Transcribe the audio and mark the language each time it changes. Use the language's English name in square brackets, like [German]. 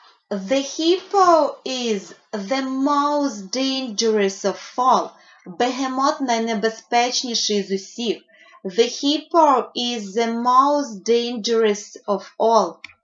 [English] The hippo is the most dangerous of all. [Ukrainian] Бегемот найнебезпечніший з усіх. [English] The hippo is the most dangerous of all.